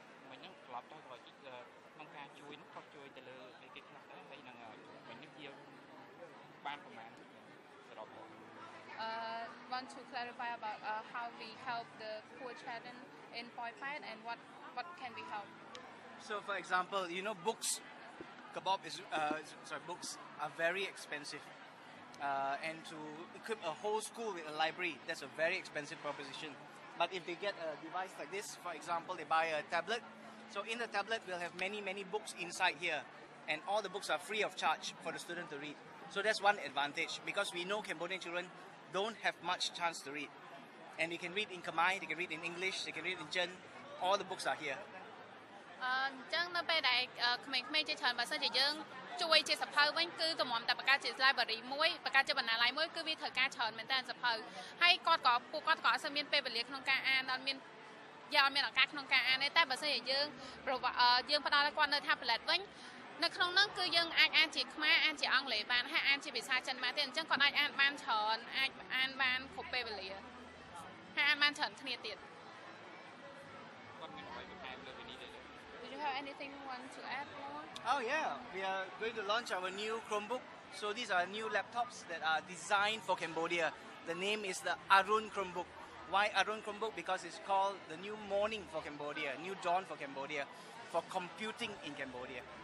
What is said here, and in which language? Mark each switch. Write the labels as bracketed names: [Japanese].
[Khmer] មិញហ្នឹងក្លាប់ទៅក៏ជួយក្នុងការជួយហ្នឹងក៏ជួយទៅលើអីគេខ្លះដែរហើយនឹងមិញនេះយើងបានប្រមាណសរុបមក [English] want to clarify about how we help the poor children in Poy Pet and what can we help. So for example, you know, books kebab is books are very expensive, and to equip a whole school with a library, that's a very expensive proposition. But if they get a device like this, for example, they buy a tablet, so in the tablet we'll have many books inside here, and all the books are free of charge for the student to read. So that's one advantage, because we know Cambodian children don't have much chance to read, and they can read in Khmer, they can read in English, they can read in Chen. All the books are here. [Khmer] អញ្ចឹងនៅពេលដែលក្មេងៗជាច្រើនបើសិនជាយើងជួយជាសភៅវិញគឺតម្រូវតែបង្កើតជា library មួយបង្កើតជាបណ្ណាល័យមួយគឺវាត្រូវការច្រើនមែនតើសភៅហើយគាត់ក៏អត់សូវមានពេលវេលាក្នុងការអានអត់មានយ៉ាងអត់មានឱកាសក្នុងការអានទេតែបើសិនជាយើងផ្ដល់ឲ្យគាត់នៅថាប្លែតវិញនៅក្នុងនោះគឺយើងអាចអានជាខ្មែរអានជាអង់គ្លេសបានហើយអានជាភាសាចិនបានទេអញ្ចឹងគាត់អាចអានបានច្រើនអាចអានបានគ្រប់ពេលវេលាហើយអានបានច្រើនគ្នាទៀតគាត់មានអ្វីបន្ថែមលើនេះទេ [English] Have anything you want to add more? Oh yeah, we are going to launch our new Chromebook. So these are new laptops that are designed for Cambodia. The name is the Arun Chromebook. Why Arun Chromebook? Because it's called the new morning for Cambodia, new dawn for Cambodia, for computing in Cambodia.